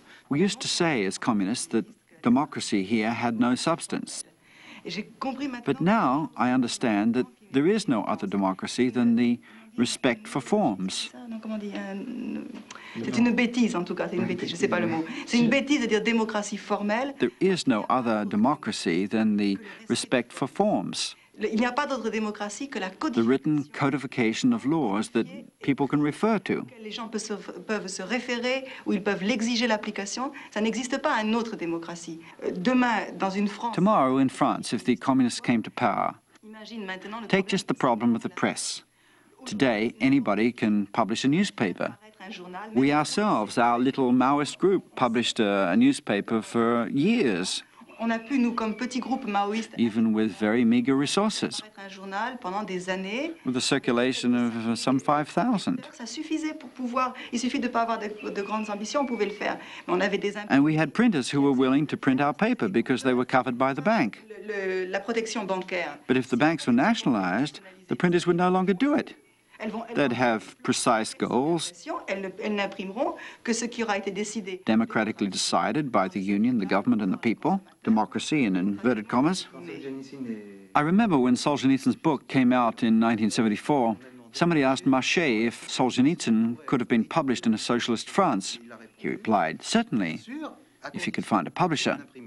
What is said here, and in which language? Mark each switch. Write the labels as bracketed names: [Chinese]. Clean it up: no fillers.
[English] We used to say as communists that democracy here had no substance. But now I understand that there is no other democracy than the respect for forms. [French] C'est une bêtise, en tout cas, c'est une bêtise, je ne sais pas le mot. C'est une bêtise de dire démocratie formelle. [English] There is no other democracy than the respect for forms. [French] Il n'y a pas d'autre démocratie que la codification. [English] The written codification of laws that people can refer to. [French] Les gens peuvent se référer ou ils peuvent l'exiger l'application. Ça n'existe pas une autre démocratie. Demain, dans une France. [English] Tomorrow in France, if the communists came to power. [French] Imagine maintenant. [English] Take just the problem of the press. Today, anybody can publish a newspaper. We ourselves, our little Maoist group, published a newspaper for years. [French] On a pu, nous, comme petit groupe maoïste, [English] even with very meager resources, [French] des années, [English] with a circulation of some 5,000. [French] Ça suffisait pour pouvoir, il suffit de pas avoir de grandes ambitions, on pouvait le faire. Mais on avait des imprimés. [English] And we had printers who were willing to print our paper because they were covered by the bank. [French] La protection bancaire. [English] But if the banks were nationalized, the printers would no longer do it. They'd have precise goals, [French] elles n'imprimeront que ce qui aura été décidé. [English] Democratically decided by the union, the government and the people, democracy in inverted commas. I remember when Solzhenitsyn's book came out in 1974, somebody asked Marché if Solzhenitsyn could have been published in a socialist France. He replied, certainly, if he could find a publisher.